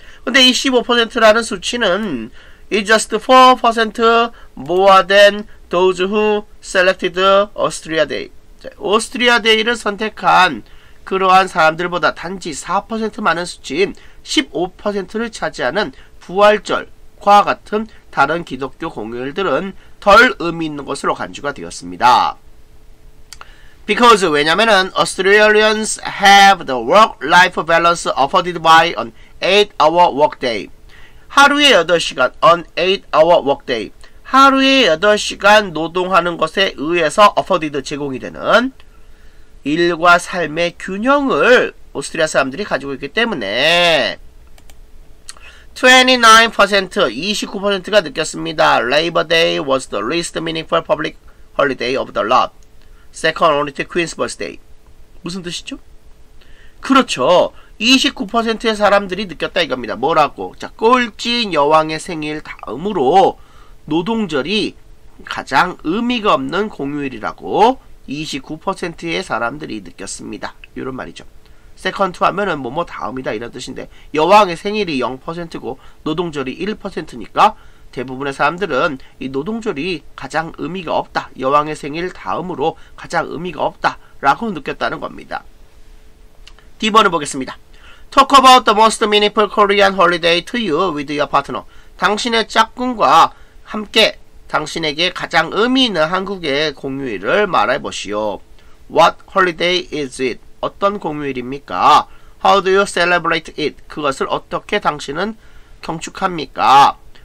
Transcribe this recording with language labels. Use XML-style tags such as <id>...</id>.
<ko>근데 이 15%라는 수치는</ko> <en>it's just 4% more than those who selected Austria Day.</en> <ko>자, Austria Day를 선택한 그러한 사람들보다 단지 4% 많은 수치인 15%를 차지하는 부활절과 같은 다른 기독교 공휴일들은 덜 의미 있는 것으로 간주가 되었습니다.</ko> <en>Because,</en> <ko>왜냐면은,</ko> <en>Australians have the work-life balance afforded by an 8-hour workday.</en> <ko>하루에 8시간,</ko> <en>an 8-hour workday.</en> <ko>하루에 8시간 노동하는 것에 의해서 afforded 제공이 되는 일과 삶의 균형을 오스트리아 사람들이 가지고 있기 때문에 29%, 29%가 느꼈습니다.</ko> <en>Labor Day was the least meaningful public holiday of the lot. Second only to Queen's Birthday.</en> <ko>무슨 뜻이죠? 그렇죠. 29%의 사람들이 느꼈다 이겁니다. 뭐라고? 자, 꼴찌인 여왕의 생일 다음으로 노동절이 가장 의미가 없는 공휴일이라고 29%의 사람들이 느꼈습니다. 이런 말이죠. Second to 하면은 뭐뭐 다음이다 이런 뜻인데 여왕의 생일이 0%고 노동절이 1%니까 대부분의 사람들은 이 노동절이 가장 의미가 없다. 여왕의 생일 다음으로 가장 의미가 없다. 라고 느꼈다는 겁니다. D번을 보겠습니다.</ko> <en>Talk about the most meaningful Korean holiday to you with your partner.</en> <ko>당신의 짝꿍과 함께 당신에게 가장 의미 있는 한국의 공휴일을 말해보시오.</ko> <en>What holiday is it?</en> <ko>어떤 공휴일입니까?</ko> <en>How do you celebrate it?</en> <ko>그것을 어떻게 당신은 경축합니까?</ko>